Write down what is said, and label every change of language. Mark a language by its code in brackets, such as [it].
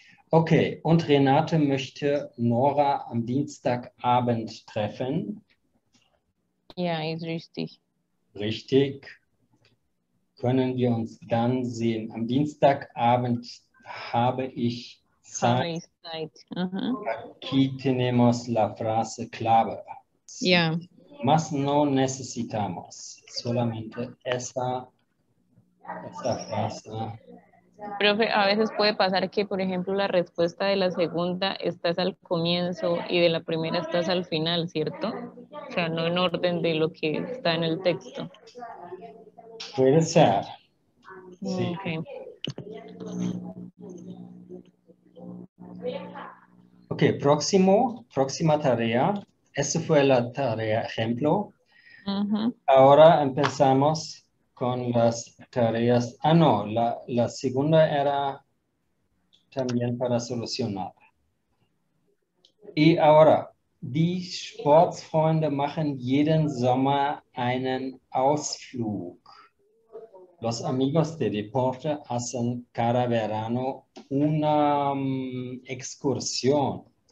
[de] Okay, und Renate möchte Nora am Dienstagabend treffen. Ja, ist richtig. Richtig. Können wir uns dann sehen? Am Dienstagabend habe ich Zeit. [es] Aquí tenemos la frase clave. Sí. Ja. Más no necesitamos. Solamente esa frase. Profe, a veces puede pasar que, por ejemplo, la respuesta de la segunda estás al comienzo y de la primera estás al final, ¿cierto? O sea, no en orden de lo que está en el texto. Puede ser. Sí. Okay. Ok, próxima tarea. Esa fue la tarea ejemplo. Uh-huh. Ahora empezamos con las tareas. Ah, no, la segunda era también para solucionar. Y ahora, [de] die Sportfreunde machen jeden Sommer einen Ausflug. [es] Los amigos de deporte hacen cada verano una excursión.